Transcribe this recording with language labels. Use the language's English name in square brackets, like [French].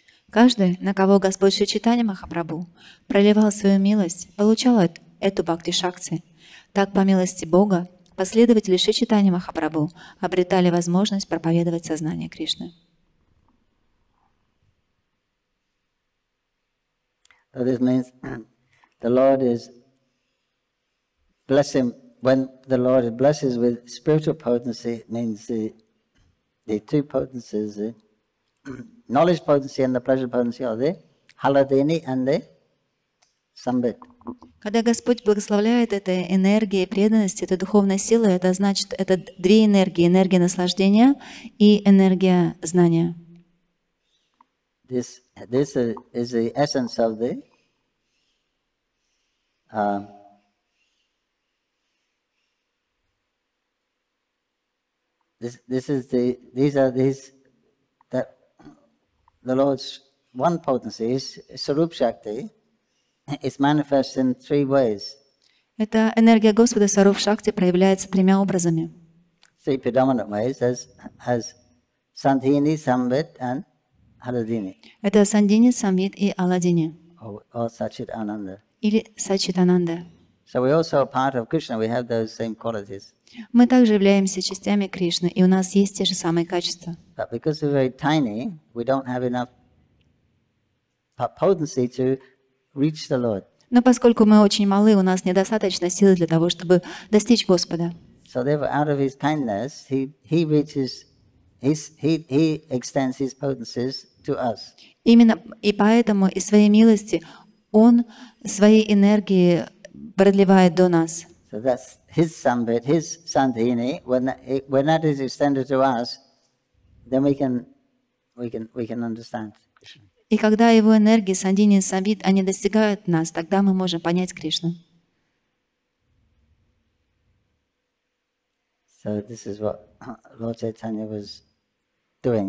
[Russian] Каждый, на кого Господь Шри Чайтанья Махапрабху проливал свою милость, получал эту бхакти-шакти. Так, по милости Бога, последователи Шри Чайтанья Махапрабху обретали возможность проповедовать сознание Кришны. [English] So this means the Lord is blessing, when the Lord blesses with spiritual potency, means the two potencies, the knowledge potency and the pleasure potency are the Haladini and the Sambit. [Russian] Когда Господь благословляет этой энергией преданности, этой духовной силой, это значит, это две энергии, энергия наслаждения и энергия знания. [English] This is the essence of the the Lord's one potency, his Sarup Shakti, is manifest in three ways. [Russian] Эта энергия Господа Саруп Шакти проявляется тремя образами. [English] Three predominant ways, as Sandhini, Samvit, and Aladini. [Russian] Это Сандини, Самвит и Аладини. [English] Or Sachit Ananda. [Russian] Или Сачит Ананда. [English] So we also are part of Krishna, we have those same qualities. [Russian] Мы также являемся частями Кришны, и у нас есть те же самые качества. [English] But because we're very tiny, we don't have enough potency to reach the Lord. [Russian] Но поскольку мы очень малы, у нас недостаточно силы для того, чтобы достичь Господа. [English] So therefore, out of his kindness, he extends his potencies to us. [Russian] Именно и поэтому из своей милости он своей энергии продлевает до нас. [English] So that's his sambit, his sandhini. When that is extended to us, then we can understand Krishna. [Russian] И когда его энергии сандини и самбит они достигают нас, тогда мы можем понять Кришну. [English] So this is what Lord Chaitanya was doing.